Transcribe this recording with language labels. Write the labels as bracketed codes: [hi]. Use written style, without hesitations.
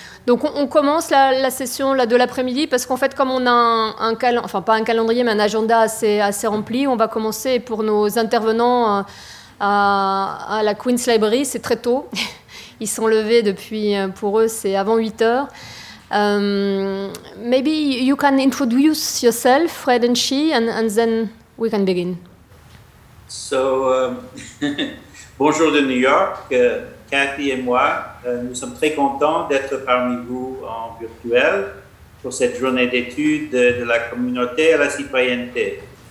[fr] Donc on commence la session là, de l'après-midi, parce qu'en fait, comme on a un agenda assez rempli, on va commencer pour nos intervenants à la Queen's Library. C'est très tôt. Ils sont levés depuis, pour eux, c'est avant 8 heures. [en] Maybe you can introduce yourself, Fred and she, and then we can begin. [fr] So, bonjour de New York, Cathy et moi, nous sommes très contents d'être parmi vous en virtuel pour cette journée d'études de la communauté à la citoyenneté.